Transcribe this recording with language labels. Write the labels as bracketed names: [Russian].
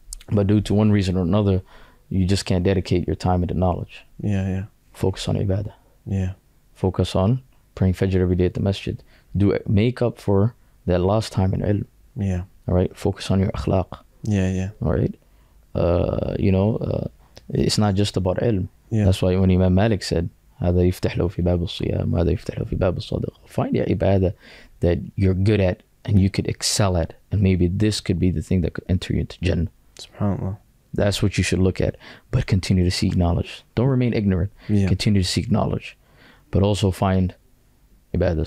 [English] But due to one reason or another, you just can't dedicate your time into knowledge. Yeah, yeah. Focus on ibadah. Yeah. Focus on praying fajr every day at the masjid. Make up for that lost time in ilm. Yeah. All right? Focus on your akhlaq. Yeah, yeah. All right. You know, it's not just about ilm. Yeah. That's why when Imam Malik said, [Arabic] هذا يفتح له في باب الصيام هذا يفتح له في باب الصدقة. [English] Find your ibadah that you're good at and you could excel at, and maybe this could be the thing that could enter you into Jannah. SubhanAllah. That's what you should look at, but continue to seek knowledge. Don't remain ignorant. Yeah. Continue to seek knowledge, but also find ibadah.